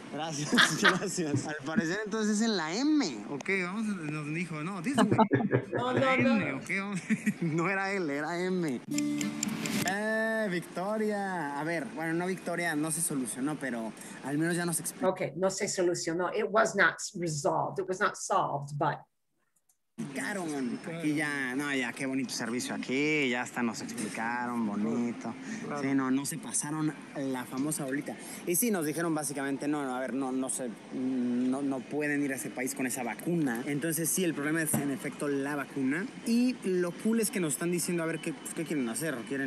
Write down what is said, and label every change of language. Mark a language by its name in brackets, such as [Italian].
[Spanish] Gracias, gracias. Al parecer entonces es en la M. Ok, vamos, nos dijo, no, [English] this way. [Spanish] No, la no, M, no. Okay, no era L, era M. Victoria. A ver, bueno, no Victoria, no se solucionó, pero al menos ya nos explicó. Ok, no se solucionó. [English] It was not resolved, it was not solved, but... [Spanish] Explicaron. Aquí ya, no, ya, qué bonito servicio aquí. Ya hasta nos explicaron, bonito. Claro. Sí, no se pasaron la famosa bolita. Y sí, nos dijeron básicamente, no pueden ir a ese país con esa vacuna. Entonces, sí, el problema es, en efecto, la vacuna. Y lo cool es que nos están diciendo, a ver, ¿qué quieren hacer?